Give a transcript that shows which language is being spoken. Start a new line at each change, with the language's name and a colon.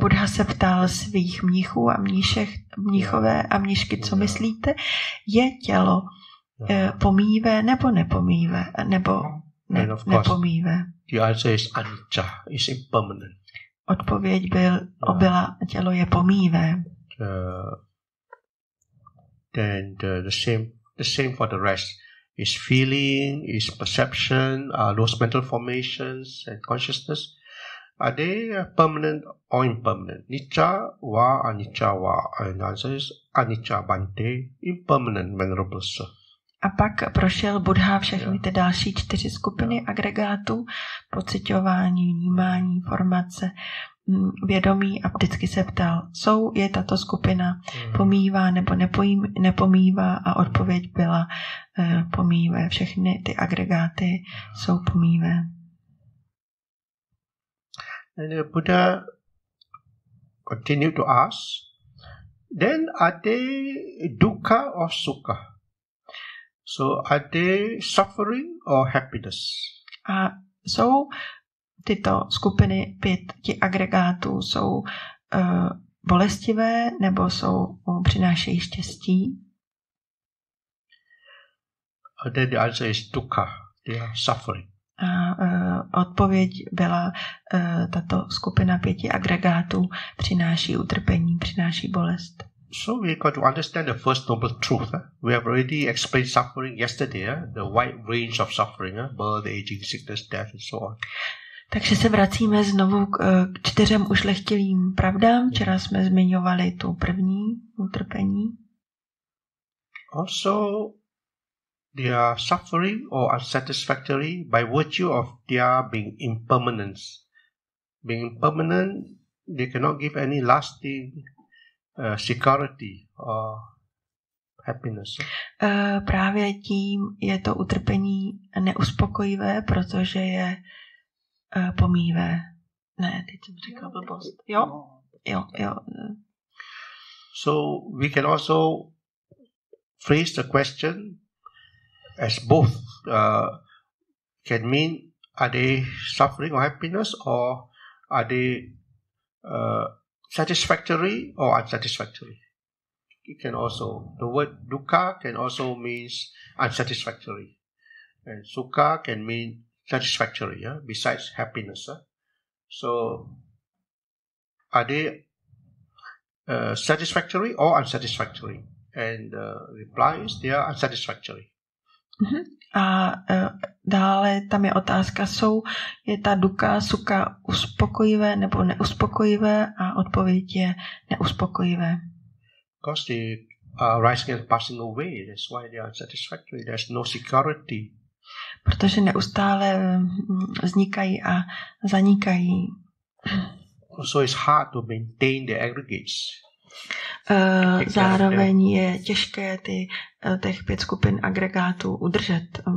Czech: Buddha se ptal svých mnichů a mníšek, mnichové a mnišky, co myslíte, je tělo pomíjivé nebo nepomíjivé, nebo nepomíjivé?
English: The answer is anicca, is impermanent. Odpověď byla, tělo je pomíjivé. Then the same for the rest. Is feeling, is perception, those mental formations and consciousness, are they permanent or impermanent?
Pali: Nicca wa anicca wa.
English: And the answer is
Pali: anicca bante,
English: impermanent, venerable sir.
Czech: A pak prošel Buddha všechny ty další čtyři skupiny agregátů, pociťování, vnímání, formace, vědomí a vždycky se ptal, je tato skupina pomíjivá nebo nepomíjivá a odpověď byla pomíjivé. Všechny ty agregáty jsou pomíjivé.
English: Buddha continued to ask, then are they dukkha or sukha? So are they suffering or happiness?
Czech: A jsou tyto skupiny pěti agregátů jsou bolestivé nebo jsou přinášejí štěstí?
English: And then the answer is dukkha. They are suffering.
Czech: A odpověď byla tato skupina pěti agregátů přináší utrpení, přináší bolest.
English: So we got to understand the first noble truth. We have already explained suffering yesterday, the wide range of suffering, birth, aging, sickness, death and so on.
Czech: Takže se vracíme znovu k čtyřem ušlechtilým pravdám. Včera jsme zmiňovali tu první utrpení.
English: Also they are suffering or unsatisfactory by virtue of their being impermanent. Being impermanent, they cannot give any lasting security or happiness.
Czech: Právě tím je to utrpení neuspokojivé, protože je pomíjivé. Ne, teď jsem říkal blbost. Jo.
English: So we can also phrase the question as both can mean are they suffering or happiness or are they satisfactory or unsatisfactory. It can also, the word dukkha can also mean unsatisfactory. And sukha can mean satisfactory, besides happiness. So, are they satisfactory or unsatisfactory? And the reply is they are unsatisfactory.
Czech: A dále tam je otázka, je ta dukkha, sukha uspokojivé nebo neuspokojivé a odpověď je neuspokojivé.
English: Because they are rising and passing away, that's why they are unsatisfactory, there's no security.
Czech: Protože neustále vznikají a zanikají.
English: So it's hard to maintain the aggregates.
Czech: Zároveň je těžké ty těch pět skupin agregátů udržet.